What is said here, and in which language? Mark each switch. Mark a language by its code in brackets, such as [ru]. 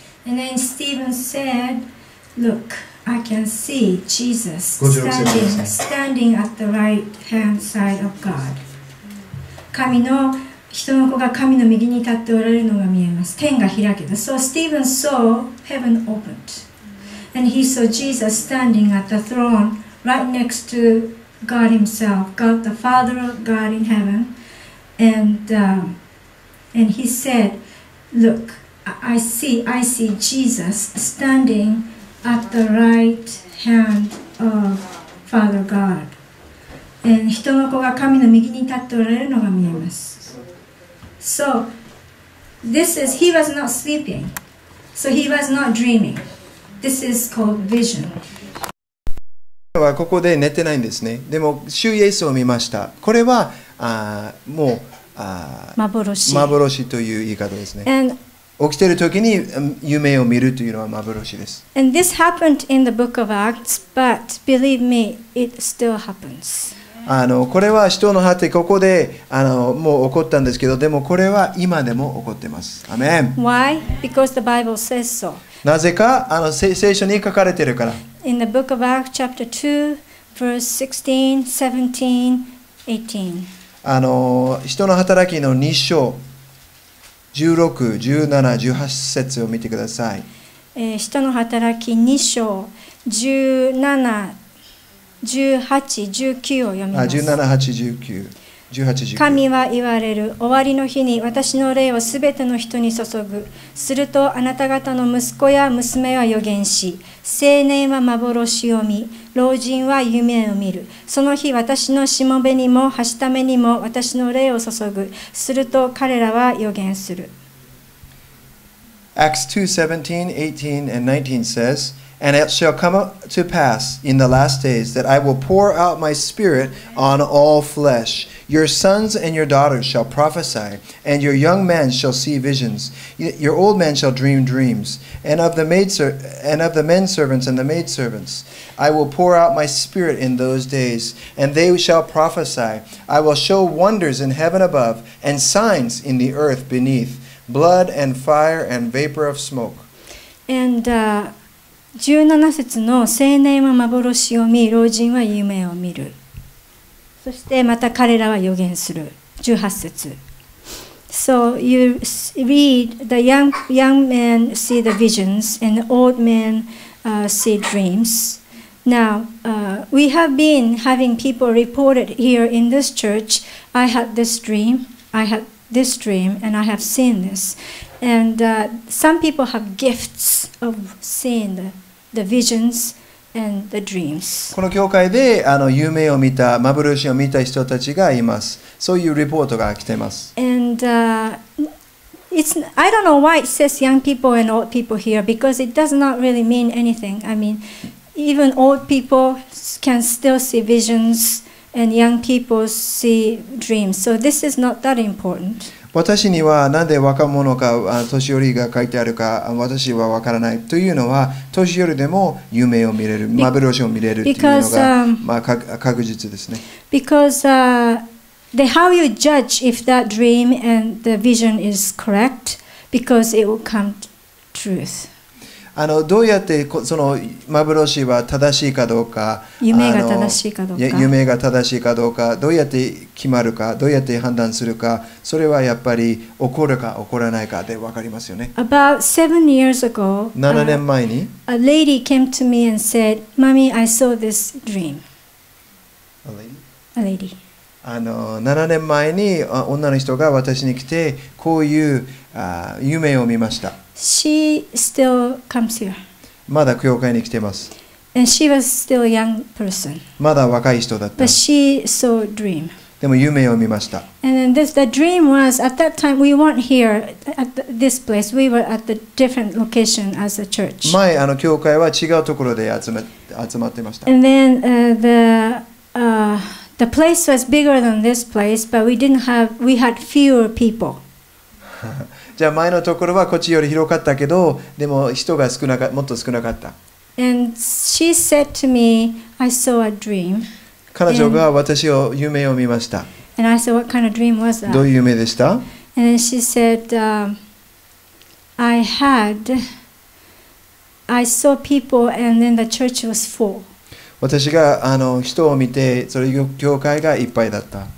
[en] And then Stephen said. Look, I can see Jesus standing at the right hand side of God. [ja] 神の人の子が神の右に立っておられるのが見えます。天が開けた。 [en] So Stephen saw heaven opened. And he saw Jesus standing at the throne right next to God himself, God the Father, God in heaven. And And he said, look, I see Jesus standing at the right hand of Father God. [ja] And 人の子が神の右に立っておられるのが見えます。 [en] So, this is, he was not sleeping. So he was not dreaming. This is called vision. [ja] はここで寝てないんですね。でも主イエスを見ました。これはもう幻という言い方ですね。 [en] And、 [ja] 起きている時に夢を見るというのは幻です。 [en] And this happened in the book of Acts, but believe me, it still happens. [ja] これは使徒の果て、ここでもう起こったんですけど、でもこれは今でも起こってます。アメン。 [en] Why? Because the Bible says so. [ja] なぜか聖書に書かれているから。 [en] In the book of Acts, chapter 2, verse 16, 17, 18. [ja] 人の働きの2章16、17、18節を見てください。人の働き2章17、18、19を読みます。 17、8、19。神は言われる。終わりの日に私の霊をすべての人に注ぐ。するとあなた方の息子や娘は預言し、青年は幻を見、老人は夢を見る。その日私のしもべにもはしためにも私の霊を注ぐ。すると彼らは預言する。 [en] Acts 2:17, 18, and 19 says,And it shall come to pass in the last days that I will pour out my spirit on all flesh. Your sons and your daughters shall prophesy, and your young men shall see visions. Your old men shall dream dreams, and of the men servants and the maid servants. I will pour out my spirit in those days, and they shall prophesy. I will show wonders in heaven above and signs in the earth beneath, blood and fire and vapor of smoke. [ja] And, 17節の青年は幻を見、老人は夢を見る。そしてまた彼らは予言する。 18節。 [en] So you read the young men see the visions and the old men、see dreams. Now、we have been having people reported here in this church. I had this dream, I had this dream, and I have seen this. And、some people have gifts of seeing the. The visions and the dreams. [ja] この教会で夢を見た、幻を見た人たちがいます。そういうリポートが来ています。 [en] And、I don't know why it says young people and old people here, because it does not really mean anything. I mean, even old people can still see visions and young people see dreams. So this is not that important. [ja] 私にはなんで若者か年寄りが書いてあるか私はわからないというのは、年寄りでも夢を見れる、幻を見れるというのが、まあ、確実ですね。 [en] Because、the how you judge if that dream and the vision is correct, because it will come truth. [ja] どうやってその幻は正しいかどうか、夢が正しいかどうか、夢が正しいかどうか、どうやって決まるか、どうやって判断するか、それはやっぱり起こるか起こらないかで分かりますよね。 [en] About 7 years ago, [ja] 7年前に、 [en] a lady came to me and said, Mommy, I saw this dream. A lady? A lady. [ja] 7年前に女の人が私に来て、こういう夢を見ました。 [en] She still comes here. [ja] まだ教会に来てます。 [en] And she was still a young person. [ja] まだ若い人だった。 [en] But she saw a dream. [ja] でも夢を見ました。 [en] And then the dream was, at that time, we weren't here at this place. We were at the different location as a church. [ja] 前、教会は違うところで集まってました。 [en] And then the place was bigger than this place, but we had fewer people. [ja] じゃあ前のところはこっちより広かったけど、でも人が少なかもっと少なかった。 [en] And she said to me, I saw a dream. [ja] 彼女が私を夢を見ました。 [en] And I said, what kind of dream was that? [ja] どういう夢でした？ [en] And she said,、I saw people and then the church was full. [ja] 私が人を見て、それ教会がいっぱいだった。